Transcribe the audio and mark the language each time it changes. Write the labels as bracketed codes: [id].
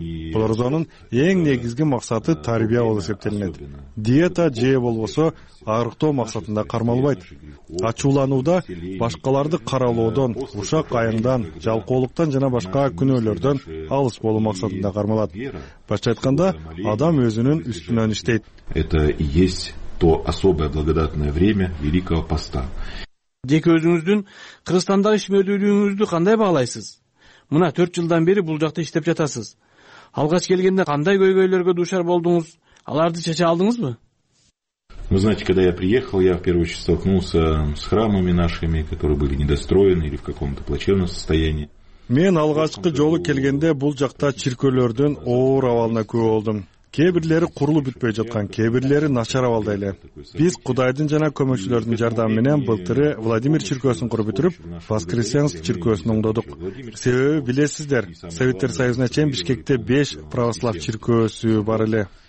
[ky] Бул орозонун эң негизги максаты тарбия болуп эсептелинет. Диета же болбосо арыктоо максатында кармалбайт. Ачууланууда, башкаларды каралоодон, ушак айыңдан, жалкоолуктан жана башка күнөөлөрдөн алыс болуу максатында кармалат. Башча айтканда, адам өзүнүн үстүнөн иштейт. [ru] Это и есть то особое благодатное время Великого Поста. [ky] Деке өзүңүздүн Кыргызстандагы ишмердүүлүгүңүздү кандай баалайсыз? Мына 4 жылдан бери бул жакта иштеп жатасыз. Алгач келгенде кандай көйгөйлөргө дуушар болдуңуз? Аларды чече алдыңызбы? [ru] Вы знаете, когда я приехал, я в первую очередь столкнулся с храмами нашими, которые были недостроены или в каком-то плачевном состоянии. [ky] Мен алгачкы жолу келгенде бул жакта чиркөөлөрдүн оор абалына күбө болдум. Кээ бирлери курулуп бүтпөй жаткан, кээ бирлери начар абалда эле. Биз Кудайдын жана көмөкчүлөрдүн жардамы менен былтыры Владимир чиркөөсүн куруп бүтүрүп, Воскресенск чиркөөсүн оңдодук. Себеби билесиздер, Советтер Союзуна чейин Бишкекте 5 православ чиркөөсү бар эле.